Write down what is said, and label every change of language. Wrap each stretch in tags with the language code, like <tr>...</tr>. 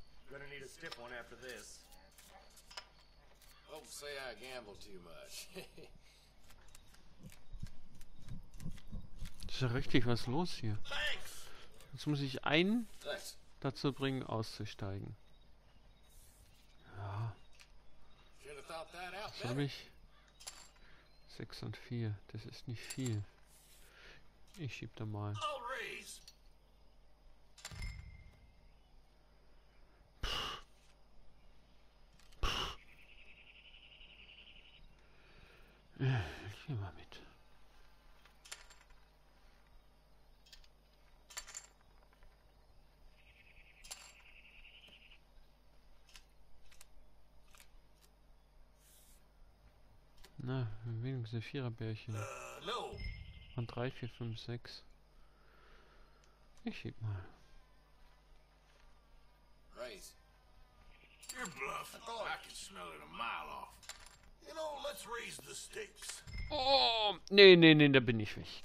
<en>Gonna need a stiff one after this. Don't say I gamble too much.</en> <de>Ist ja richtig was los hier. Jetzt muss ich einen dazu bringen, auszusteigen. Ja. Was habe ich? 6 und 4. Das ist nicht viel. Ich schieb da mal. Ich geh mal mit. Na, wenigstens ein Viererbärchen. Und 3, 4, 5, 6. Ich schieb mal.</de> <en>Raise. You're bluffing. Oh, I can smell it a mile off. You know, let's raise the stakes.</en> <de>Oh, nee, nee, nee, da bin ich nicht.</de>